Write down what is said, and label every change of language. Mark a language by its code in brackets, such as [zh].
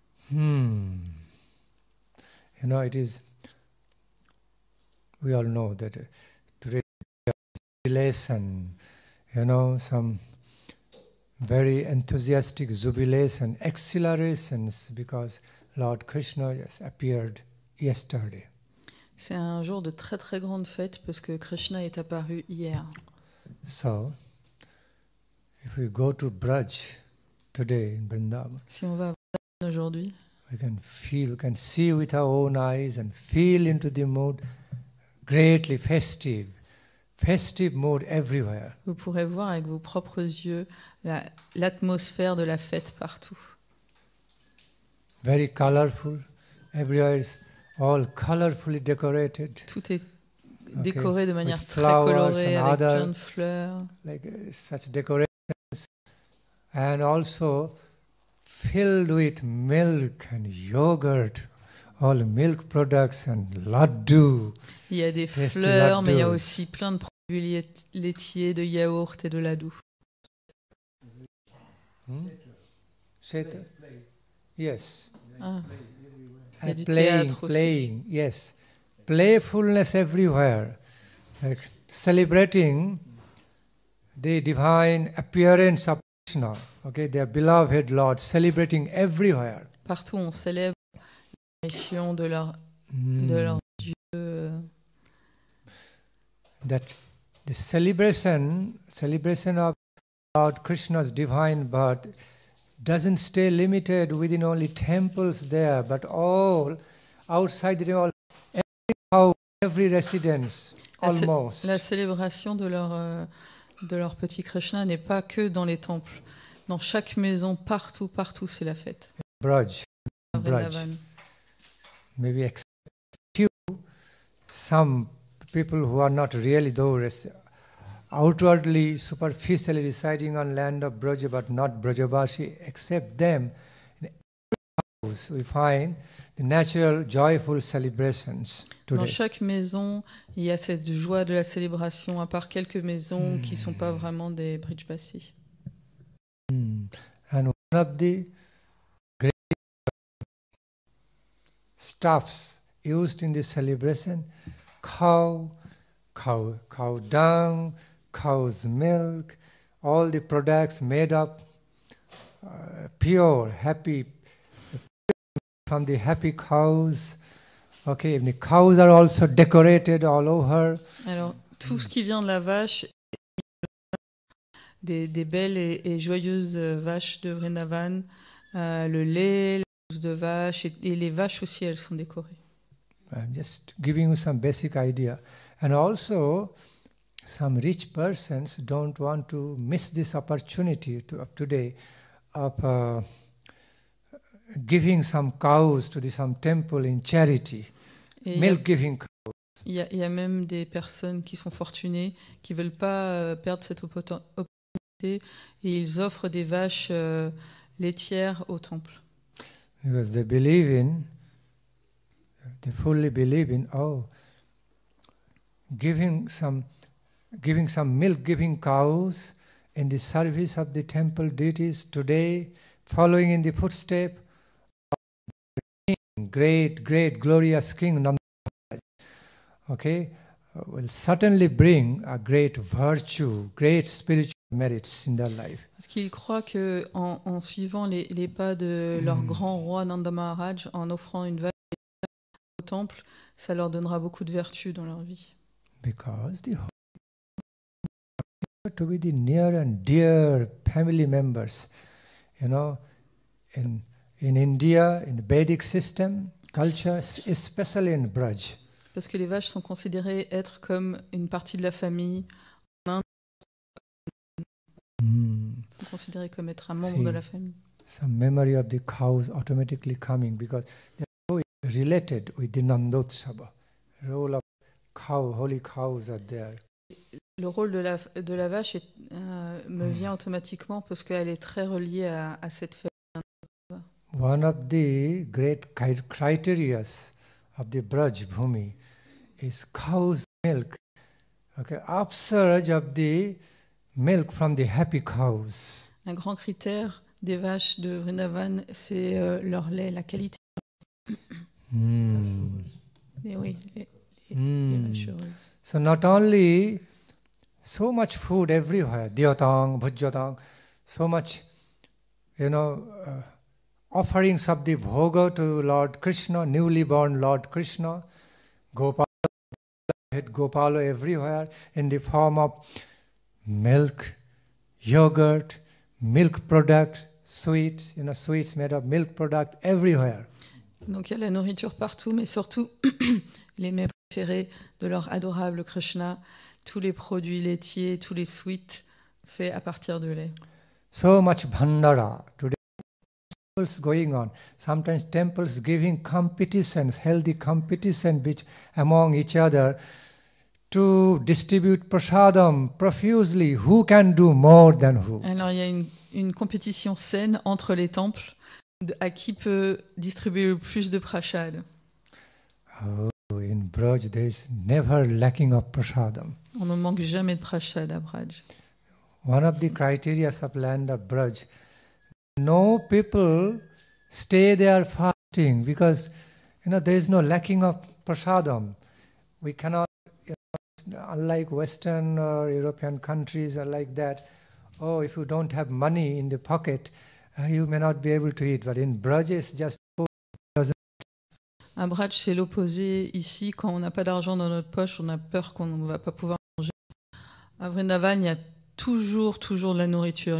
[en] You know, it is, we all know that today jubilation, you know, some very enthusiastic jubilation, accelerations, because Lord Krishna has appeared yesterday. [fr] C'est un jour de très très grande fête parce que Krishna est apparu hier. [en] So, if we go to Braj today in Vrindavan, [fr] si on va à Vrindavan aujourd'hui, [en] we can feel, we can see with our own eyes and feel into the mood, greatly festive, festive mood everywhere. [fr] Vous pourrez voir avec vos propres yeux l'atmosphère de la fête partout. [en] Very colorful, everywhere is all colorfully decorated. [fr] Tout est décoré de manière très colorée, avec plein de fleurs. [en] Like such decorations, and also filled with milk and yogurt, all milk products and laddu. [fr] Il y a des fleurs, laddus. Mais il y a aussi plein de produits laitiers, de yaourt et de laddu. [en] Yes. [fr] Ah. Il y a du playing, théâtre aussi. [en] Playing, yes. Playfulness everywhere. Like celebrating the divine appearance of Krishna. Okay, their beloved Lord, celebrating everywhere. [fr] Partout on célèbre l'apparition de leur de leur Dieu. [en] That the celebration of Lord Krishna's divine birth doesn't stay limited within only temples there, but all outside the temple, every house, every residence, almost. [fr] La célébration de leur petit Krishna n'est pas que dans les temples. Dans chaque maison, partout, partout, c'est la fête. Braj, Braj. [en] Maybe except few, some people who are not really those outwardly, superficially residing on land of Braj, but not Brajabashi, except them, in every house we find the natural joyful celebrations today. [fr] Dans chaque maison, il y a cette joie de la célébration, à part quelques maisons qui ne sont pas vraiment des Brajabashi. [en] And one of the great stuffs used in the celebration, cow dung, cow's milk, all the products made up pure, happy, from the happy cows. Okay, and the cows are also decorated all over. [fr] Alors, tout ce qui vient de la vache, des belles et joyeuses vaches de Vrindavan, le lait, la mousse de vache, et les vaches aussi, elles sont décorées. [en] I'm just giving you some basic idea. And also, some rich persons don't want to miss this opportunity today of giving some cows to some temple in charity. Milk-giving cows. [fr] Il y a même des personnes qui sont fortunées, qui ne veulent pas perdre cette opportunité, et ils offrent des vaches laitières au temple. [en] Because they believe in, they fully believe in, oh, giving some milk-giving cows in the service of the temple deities today, following in the footsteps of the king, great, great, glorious king, okay, will certainly bring a great virtue, great spiritual merits in their life. [fr] Parce qu'ils croient que en suivant les pas de leur grand roi Nanda Maharaj, en offrant une vache au temple, ça leur donnera beaucoup de vertus dans leur vie. [en] Because the holy to be the near and dear family members, you know, in India, in the Vedic system, culture, especially in Braj. [fr] Parce que les vaches sont considérées être comme une partie de la famille. Sont considérées comme être un membre de la famille. [en] Some memory of the cows automatically coming because they are so related with the Nandotsava. Role of cow, holy cows are there. [fr] Le rôle de la vache est, me vient automatiquement parce qu'elle est très reliée à cette famille. [en] One of the great criteria of the Braj Bhumi is cow's milk, okay, upsurge of the milk from the happy cows. [fr] Un grand critère des vaches de Vrindavan, c'est leur lait, la qualité. Mm. Et oui, les vaches heureuses. [en] So not only so much food everywhere, diyotang, bhujyotang, so much, you know, offerings of the bhoga to Lord Krishna, newly born Lord Krishna, Gopal, Gopalo everywhere in the form of milk, yogurt, milk product, sweets, you know, sweets made of milk product everywhere. [fr] Donc il y a la nourriture partout, mais surtout les mets préférés de leur adorable Krishna, tous les produits laitiers, tous les sweets faits à partir de lait. [en] So much bhandara today. Going on. Sometimes temples giving competitions, healthy competition among each other to distribute prasadam profusely. Who can do more than who? [fr] Alors il y a une compétition saine entre les temples à qui peut distribuer le plus de prasad. [en] Oh, in Braj there is never lacking of prasadam. [fr] On ne manque jamais de prasad à Braj. [en] One of the criteria of land of Braj. No people stay there fasting because, you know, there is no lacking of prasadam. We cannot, you know, unlike Western or European countries are like that. Oh, if you don't have money in the pocket, you may not be able to eat. But in Braj, it's just food doesn't. [fr] À Braj, c'est l'opposé. Ici, quand on n'a pas d'argent dans notre poche, on a peur qu'on ne va pas pouvoir manger. À Vrindavan, il y a toujours, toujours de la nourriture.